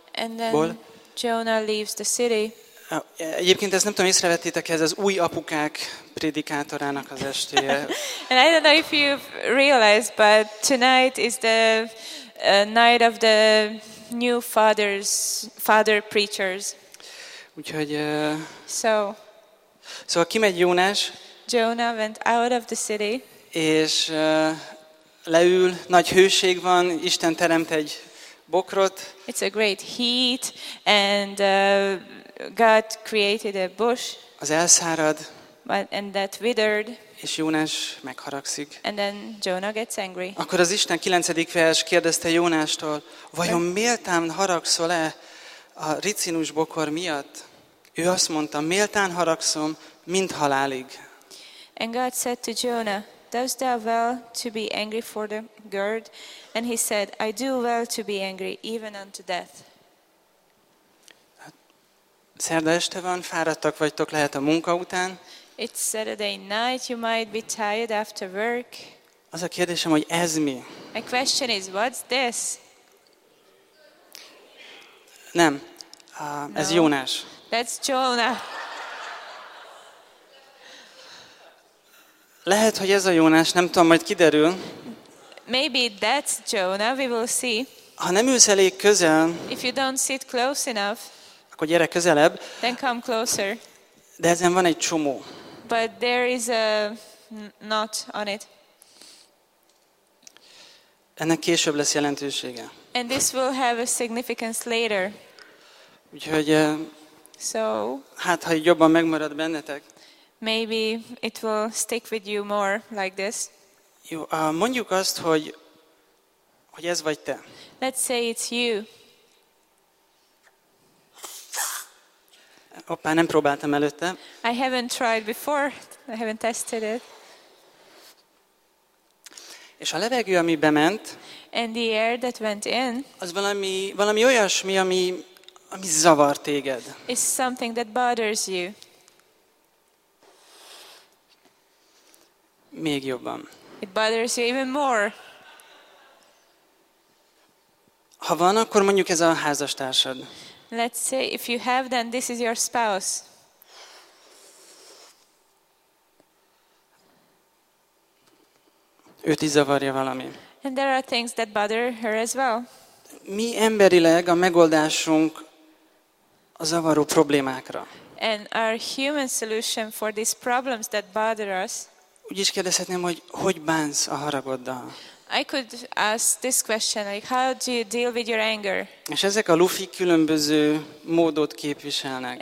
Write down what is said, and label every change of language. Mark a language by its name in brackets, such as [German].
[English] And then Jonah leaves the city. [Hungarian] Egyébként ezt nem tudom, észrevettétek, ez az új apukák prédikátorának az estéje. [English] And I don't know if you've realized, but tonight is the night of the new father preachers. [Hungarian] Úgyhogy szóval kimegy Jónás. [English] Jonah went out of the city. [Hungarian] És leül, nagy hőség van, Isten teremt egy bokrot. [English] It's a great heat and God created a bush. [Hungarian] Az elszárad. [English] And that withered. [Hungarian] És Jónás megharagszik. [English] And then Jonah gets angry. [Hungarian] Akkor az Isten 9. vers kérdezte Jónástól, vajon méltán haragszol-e a ricinus bokor miatt? Ő azt mondta, méltán haragszom, mint halálig. [English] And God said to Jonah, dost thou well to be angry for the gourd? And he said, I do well to be angry, even unto death. [Hungarian] Szerda este van, fáradtak vagytok lehet a munka után. [English] It's Saturday night, you might be tired after work. [Hungarian] Az a kérdésem, hogy ez mi? [English] My question is, what's this? [Hungarian] Nem, ez Jónás. [English] That's Jonah. [Hungarian] Lehet, hogy ez a Jónás, nem tudom, majd kiderül. [English] Maybe that's Jonah, we will see. [Hungarian] Ha nem ülsz elég közel, [English] if you don't sit close enough, [Hungarian] akkor gyere közelebb. [English] Then come closer. [Hungarian] De ezen van egy csomó. [English] But there is a knot on it. [Hungarian] Ennek később lesz jelentősége. [English] And this will have a significance later. [Hungarian] Úgyhogy [English] so, [Hungarian] hát ha jobban megmarad bennetek. [English] Maybe it will stick with you more like this. [Hungarian] Jó, mondjuk azt, hogy ez vagy te. [English] Let's say it's you. [Hungarian] Hoppá, nem próbáltam előtte. [English] I haven't tried before. I haven't tested it. [Hungarian] És a levegő, ami bement, [English] and the air that went in, [Hungarian] az valami olyasmi, ami zavar téged. [English] It's something that bothers you. [Hungarian] Még jobban. [English] It bothers you even more. [Hungarian] Ha van, akkor mondjuk ez a házastársad. [English] Let's say if you have, then this is your spouse. [Hungarian] Őt is zavarja valami. [English] And there are things that bother her as well. [Hungarian] Mi emberileg a megoldásunk a zavaró problémákra. [English] And our human solution for these problems that bother us. [Hungarian] Úgy is kérdezhetném, hogy bánsz a haragoddal. [English] I could ask this question, like how do you deal with your anger? [Hungarian] És ezek a lufi különböző módot képviselnek.